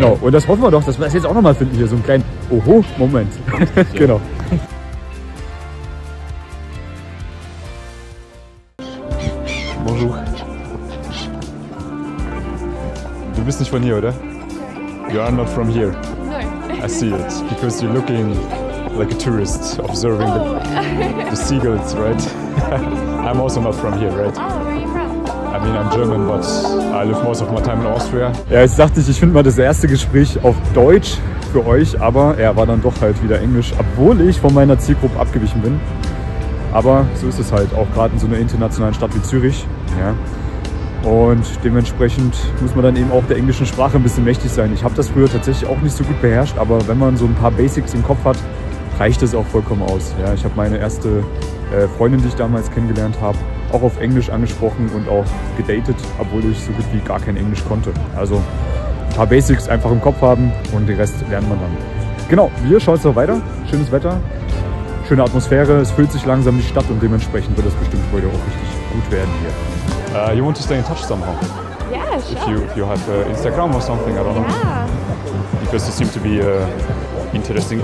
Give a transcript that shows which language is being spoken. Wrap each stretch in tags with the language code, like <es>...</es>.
<de>Genau, und das hoffen wir doch, dass wir das jetzt auch nochmal finden hier, so einen kleinen Oho-Moment. Ja. Genau.</de> <fr>Bonjour.</fr> <de>Du bist nicht von hier, oder?</de> <en>You are not from here. No. I see it, because you're looking like a tourist observing the seagulls, right? I'm also not from here, right? Oh, where are you from? I mean, I'm German, but I live most of my time in Austria.</en> <de>Ja, jetzt dachte ich, ich finde mal das erste Gespräch auf Deutsch für euch, aber er war dann doch halt wieder Englisch, obwohl ich von meiner Zielgruppe abgewichen bin. Aber so ist es halt, auch gerade in so einer internationalen Stadt wie Zürich. Ja. Und dementsprechend muss man dann eben auch der englischen Sprache ein bisschen mächtig sein. Ich habe das früher tatsächlich auch nicht so gut beherrscht, aber wenn man so ein paar Basics im Kopf hat, reicht es auch vollkommen aus. Ja, ich habe meine erste Freundin, die ich damals kennengelernt habe, auch auf Englisch angesprochen und auch gedatet, obwohl ich so gut wie gar kein Englisch konnte. Also ein paar Basics einfach im Kopf haben und den Rest lernt man dann. Genau, wir schauen jetzt noch weiter. Schönes Wetter, schöne Atmosphäre. Es füllt sich langsam die Stadt und dementsprechend wird das bestimmt heute auch richtig gut werden hier.</de> <en>You want to stay in touch somehow? Yeah, sure. If you have Instagram or something, I don't know. Yeah. Because you seem to be interesting.</en>